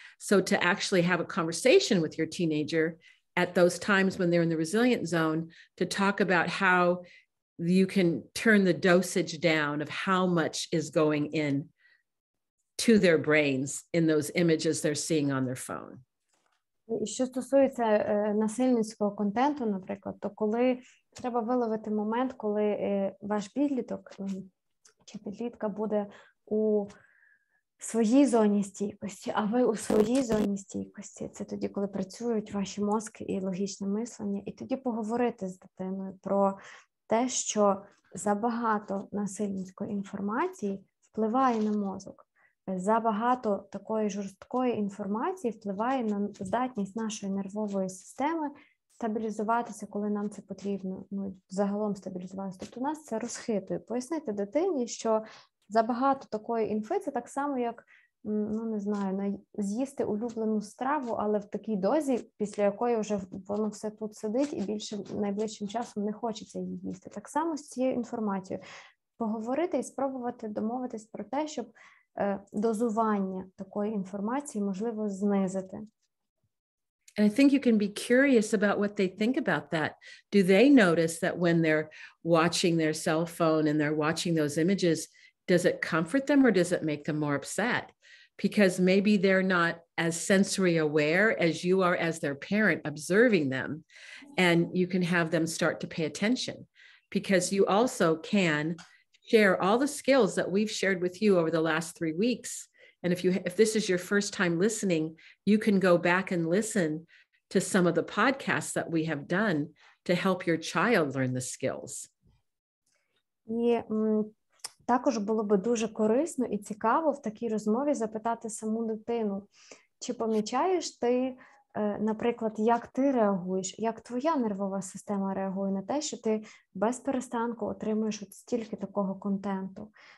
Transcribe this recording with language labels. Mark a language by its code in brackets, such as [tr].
[en] So to actually have a conversation with your teenager at those times when they're in the resilient zone, to talk about how you can turn the dosage down of how much is going in to their brains in those images they're seeing on their phone. [uk] Що стосується насильницького контенту, наприклад, то коли треба виловити момент, коли ваш підліток чи підлітка буде у своїй зоні стійкості, а ви у своїй зоні стійкості. Це тоді, коли працюють ваші мозки і логічне мислення. І тоді поговорити з дитиною про те, що забагато насильницької інформації впливає на мозок. Забагато такої жорсткої інформації впливає на здатність нашої нервової системи стабілізуватися, коли нам це потрібно. Ну, загалом стабілізуватися. Тобто нас це розхитує. Пояснити дитині, що забагато такої інфи, це так само, як, ну, не знаю, з'їсти улюблену страву, але в такій дозі, після якої вже воно все тут сидить і більше найближчим часом не хочеться її їсти. Так само з цією інформацією. Поговорити і спробувати домовитись про те, щоб дозування такої інформації можливо знизити. [en] And I think you can be curious about what they think about that. Do they notice that when they're watching their cell phone and they're watching those images, does it comfort them or does it make them more upset? Because maybe they're not as sensory aware as you are as their parent observing them. And you can have them start to pay attention because you also can share all the skills that we've shared with you over the last 3 weeks. And if this is your first time listening, you can go back and listen to some of the podcasts that we have done to help your child learn the skills. Yeah. [uk] Також було би дуже корисно і цікаво в такій розмові запитати саму дитину, чи помічаєш ти, наприклад, як ти реагуєш, як твоя нервова система реагує на те, що ти без перестанку отримуєш от стільки такого контенту.